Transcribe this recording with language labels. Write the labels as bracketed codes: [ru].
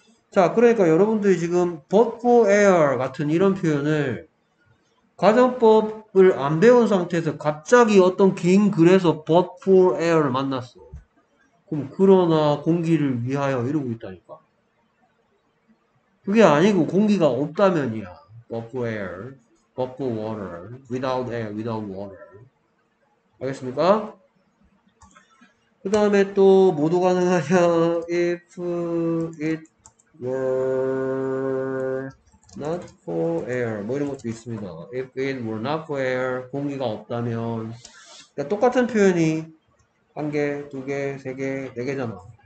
[ko] 자, 그러니까 여러분들이 지금 [en] but for air [ko] 같은 이런 표현을 과정법을 안 배운 상태에서 갑자기 어떤 긴 글에서 but for air를 만났어. 그럼 그러나 공기를 위하여 이러고 있다니까. 그게 아니고 공기가 없다면이야. [en] But for air, but for water, without air, without water. [ko] 알겠습니까? 그 다음에 또 뭐도 가능하냐? [en] If it were not for air, [ko] 뭐 이런 것도 있습니다. [en] If it were not for air, [ko] 공기가 없다면. 그러니까 똑같은 표현이 한 개, 두 개, 세 개, 네 개잖아.